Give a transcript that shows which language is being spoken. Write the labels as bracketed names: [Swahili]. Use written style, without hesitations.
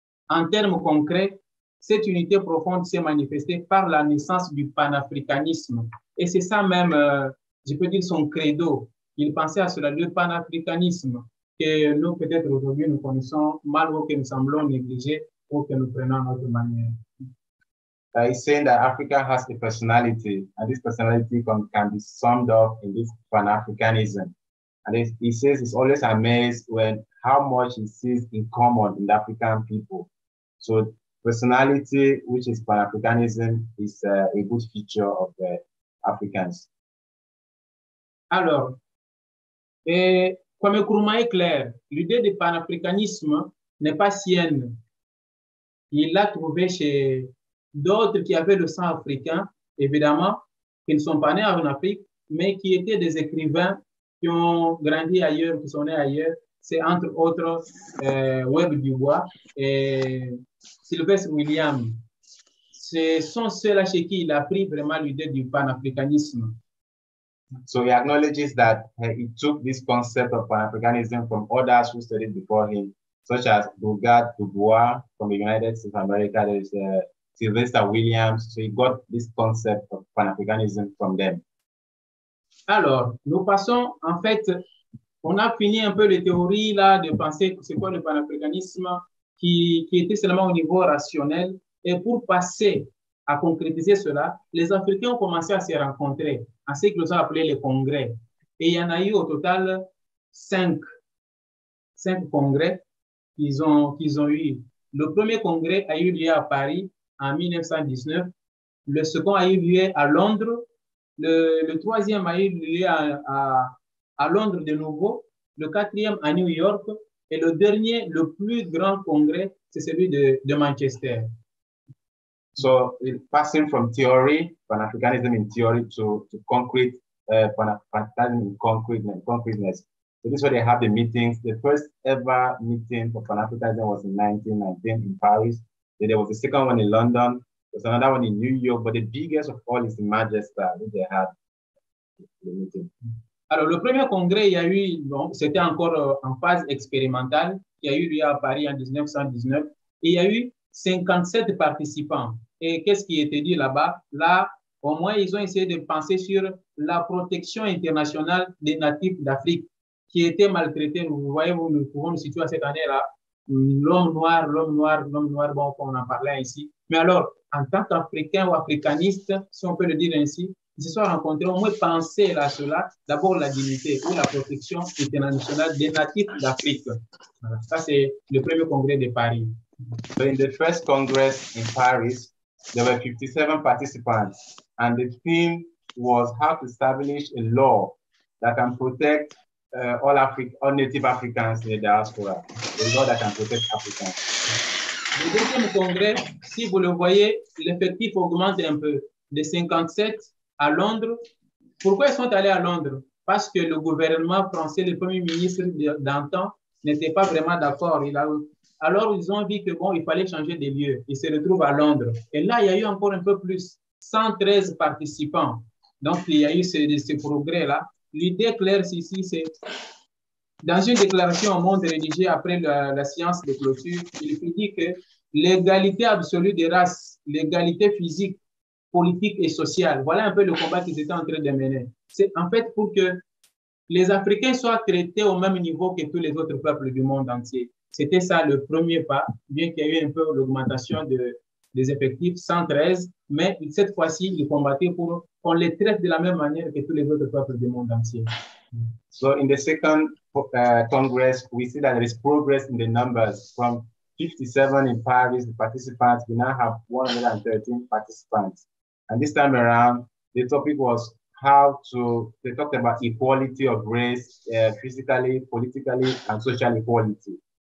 [French] En termes concrets, cette unité profonde s'est manifestée par la naissance du panafricanisme. Et c'est ça même, je peux dire, son credo. Il pensait à cela, le panafricanisme. Que nous, peut-être aujourd'hui, nous connaissons mal ou que nous semblons négliger ou que nous prenons notre manière. [English] He's saying that Africa has a personality, and this personality can be summed up in this pan-Africanism. And he says he's always amazed when how much he sees in common in the African people. So, personality, which is pan-Africanism, is a good feature of the Africans. [French] Alors, Kwame Nkrumah est clair, l'idée du panafricanisme n'est pas sienne. Il l'a trouvée chez d'autres qui avaient le sang africain, évidemment, qui ne sont pas nés en Afrique, mais qui étaient des écrivains qui ont grandi ailleurs, qui sont nés ailleurs. C'est entre autres Webb Dubois et Sylvestre Williams. Ce sont ceux-là chez qui il a pris vraiment l'idée du panafricanisme. [English] So he acknowledges that he took this concept of panafricanism from others who studied before him, such as Bogart Dubois from the United States of America, there's Sylvester Williams. So he got this concept of panafricanism from them. [French] Alors, nous passons, en fait, on a fini un peu les théories là de penser que c'est quoi le panafricanisme qui était seulement au niveau rationnel. Et pour passer à concrétiser cela, les Africains ont commencé à se rencontrer à ce que nous avons appelé les congrès. Et il y en a eu au total cinq congrès qu'ils ont eu. Le premier congrès a eu lieu à Paris en 1919. Le second a eu lieu à Londres. Le troisième a eu lieu à Londres de nouveau. Le quatrième à New York. Et le dernier, le plus grand congrès, c'est celui de Manchester. [English] So passing from theory, Pan-Africanism in theory to concrete, Pan-Africanism in concreteness. So this is where they have the meetings. The first ever meeting for Pan-Africanism was in 1919 in Paris. Then there was the second one in London. There's another one in New York, but the biggest of all is in Manchester, where they had the meeting. [French] Alors, le premier congrès, il y a eu, bon, c'était encore en phase expérimentale, il y a eu lui à Paris en 1919, et il y a eu 57 participants. Et qu'est-ce qui était dit là-bas? Là, au moins, ils ont essayé de penser sur la protection internationale des natifs d'Afrique qui étaient maltraités. Vous voyez, nous pouvons nous situer à cette année-là. L'homme noir, bon, comme on en parlait ici. Mais alors, en tant qu'Africain ou africaniste, si on peut le dire ainsi, ils se sont rencontrés, au moins penser à cela, d'abord la dignité ou la protection internationale des natifs d'Afrique. Voilà. Ça, c'est le premier congrès de Paris. [English] So in the first congress in Paris, there were 57 participants, and the theme was how to establish a law that can protect all native Africans in the diaspora, a law that can protect Africans. [French] Le deuxième congrès, si vous le voyez, l'effectif augmente un peu, de 57 à Londres. Pourquoi ils sont allés à Londres? Parce que le gouvernement français, le premier ministre d'antan, n'était pas vraiment d'accord. Alors, ils ont dit que bon, il fallait changer de lieu. Ils se retrouvent à Londres. Et là, il y a eu encore un peu plus, 113 participants. Donc, il y a eu ce progrès-là. L'idée claire ici, c'est dans une déclaration au monde rédigée après la séance de clôture, il dit que l'égalité absolue des races, l'égalité physique, politique et sociale, voilà un peu le combat qu'ils étaient en train de mener. C'est en fait pour que les Africains soient traités au même niveau que tous les autres peuples du monde entier. C'était ça le premier pas, bien qu'il y ait eu un peu l'augmentation des effectifs, 113, mais cette fois-ci, ils combattaient pour qu'on les traite de la même manière que tous les autres peuples du monde entier. [English] So in the second congress, we see that there is progress in the numbers. From 57 in Paris, the participants, we now have 113 participants. And this time around, the topic was they talked about equality of race, physically, politically, and social equality.